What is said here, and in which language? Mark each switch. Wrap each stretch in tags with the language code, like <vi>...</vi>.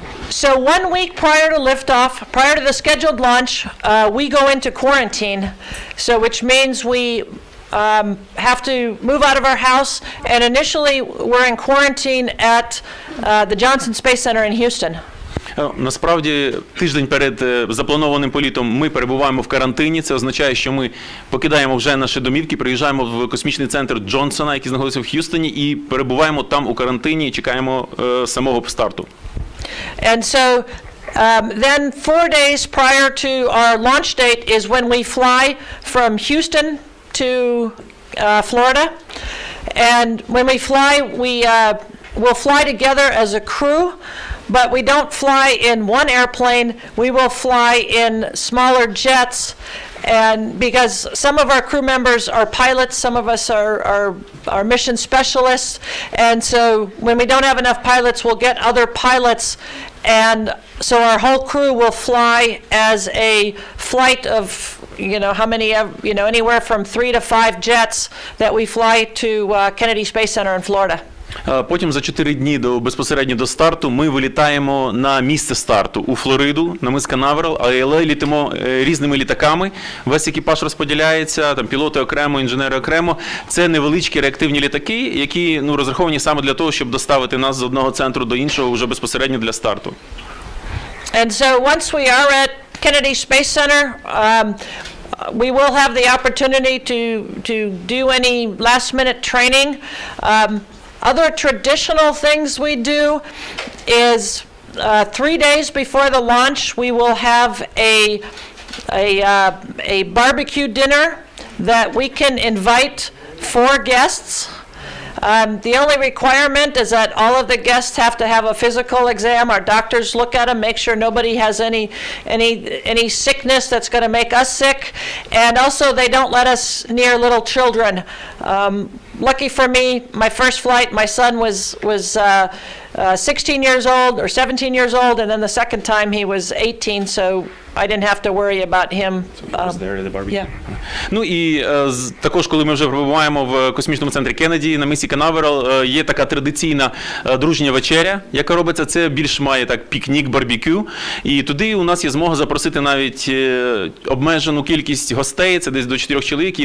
<en>So 1 week prior to liftoff, prior to the scheduled launch, we go into quarantine, so which means we have to move out of our house, and initially we're in quarantine at the Johnson Space Center in Houston.</en> <uk>Насправді, тиждень перед запланованим політом ми перебуваємо в карантині. Це означає, що ми покидаємо вже наші домівки, приїжджаємо в космічний центр Джонсона, який знаходиться в Х'юстоні, і перебуваємо там у карантині, і чекаємо самого старту.</uk> <en>And so, then 4 days prior to our launch date is when we fly from Houston to Florida. And when we fly, we will fly together as a crew. But we don't fly in one airplane, we will fly in smaller jets, and because some of our crew members are pilots, some of us are mission specialists, and so when we don't have enough pilots, we'll get other pilots, and so our whole crew will fly as a flight of, you know, how many, you know, anywhere from 3 to 5 jets that we fly to Kennedy Space Center in Florida.</en> <uk>Потім за 4 дні до безпосередньо до старту ми вилітаємо на місце старту у Флориду, на мис Канаверал, але літимо різними літаками. Весь екіпаж розподіляється, там пілоти окремо, інженери окремо. Це невеличкі реактивні літаки, які, ну, розраховані саме для того, щоб доставити нас з одного центру до іншого вже безпосередньо для старту.</uk> <en>And so once we are at Kennedy Space Center, we will have the opportunity to do any last minute training. Other traditional things we do is 3 days before the launch, we will have a barbecue dinner that we can invite 4 guests. The only requirement is that all of the guests have to have a physical exam. Our doctors look at them, make sure nobody has any sickness that's going to make us sick. And also, they don't let us near little children. Lucky for me, my first flight, my son was 16 years old or 17 years old, and then the second time he was 18, so I didn't have to worry about him. So he was there at the barbecue. Yeah.</en> <uk>Ну і також, коли ми вже перебуваємо в космічному центрі Кеннеді на місці Канаверал, є така традиційна дружня вечеря, яка робиться, це більш має так пікнік, барбекю, і туди у нас є змога запросити навіть обмежену кількість гостей, це десь до 4 чоловік.</uk>